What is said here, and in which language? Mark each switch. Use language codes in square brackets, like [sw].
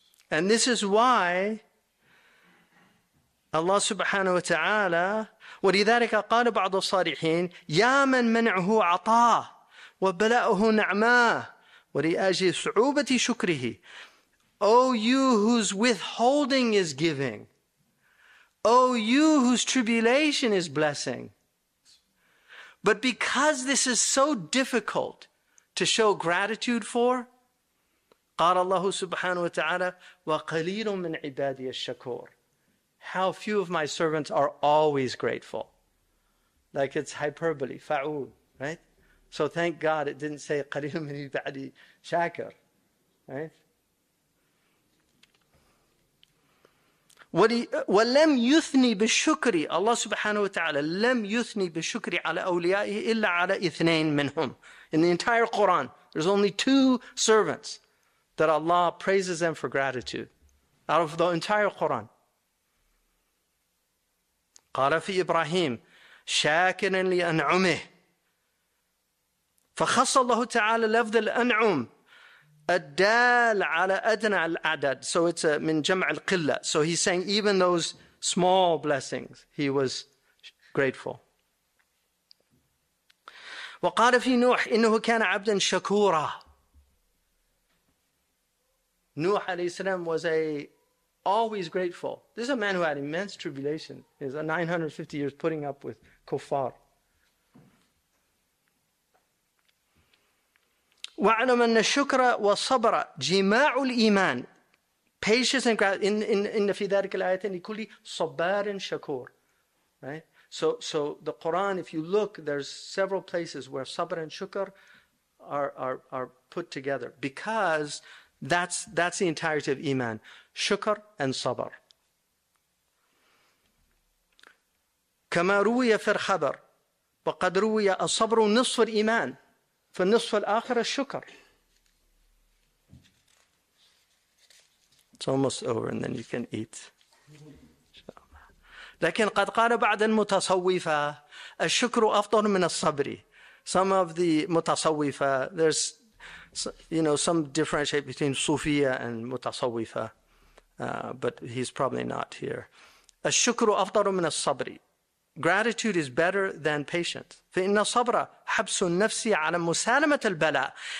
[en] And this is why Allah subhanahu wa ta'ala, [ar] وَلِذَٰلِكَ قَالَ بَعْضُ الصَّالِحِينَ يَا مَنْ مَنْعُهُ عَطَاهُ وَبَلَأُهُ نَعْمَاهُ وَلِأَجِ سُعُوبَةِ شُكْرِهِ. [en] O you whose withholding is giving, O you whose tribulation is blessing. But because this is so difficult to show gratitude for, [ar] قَالَ اللَّهُ سُبْحَانَهُ وَتَعَالَى وَقَلِيلٌ مِّنْ عِبَادِيَ الشَّكُورِ. [en] How few of my servants are always grateful. Like it's hyperbole, fa'ul, right? So thank God it didn't say [ar] قَلِيلٌ مِّنْ عِبَادِيَ الشَّكُورِ, [en] right? [ar] وَلَمْ يُثْنِي بِالشُّكْرِ, Allah subhanahu wa ta'ala, لَمْ يُثْنِي بِالشُّكْرِ عَلَى أَوْلِيَائِهِ إِلَّا عَلَى إِثْنَيْنِ مِنْهُمْ. [en] In the entire Quran, there's only two servants that Allah praises them for gratitude out of the entire Quran. [ar] قَالَ فِي إِبْرَاهِيمِ شَاكِرًا لِأَنْعُمِهِ فَخَصَّ اللَّهُ تَعَالَى لَفْظَ الْأَنْعُمِ الدال على أدنى الأعداد. [en] So it's a [ar] من جمع القلة. [en] So he's saying even those small blessings, he was grateful. [ar] وقال في نوح إنه كان عبدا شكورا. [en] نوح عليه السلام was always grateful. This is a man who had immense tribulation. He's 950 years putting up with kuffar. [ar] وَعْلَمَ أَنَّ الشُّكْرَ وَصَبْرَ جِمَاعُ الْإِيمَانِ. [en] Patience and gratitude. [ar] إِنَّ فِي ذَلِكَ الْآيَةِ كُلِّ صَبَّارٍ شَكُورٍ. [en] Right? So the Quran, if you look, there's several places where sabr and shukr are put together, because that's the entirety of iman, shukr and sabr. [ar] كَمَا رُوِيَ فِي الْخَبَرِ وَقَدْ رُوِيَ الصَّبْرُ نِصْفُ الْإِيمَانِ. [en] For nisf al-akhir al-shukr. It's almost over and then you can eat. [ar] لكن قد قال بعض المتصوفة الشكر أفضل من الصبر. [en] Some of the متصوفة, there's, you know, some differentiate between Sufiya and متصوفة, but he's probably not here. [ar] الشكر أفضل من الصبر. [en] Gratitude is better than patience. [ar] فَإِنَّ صَبْرَ حَبْسُ النَّفْسِ عَلَى مُسَالَمَةَ الْبَلَاءِ.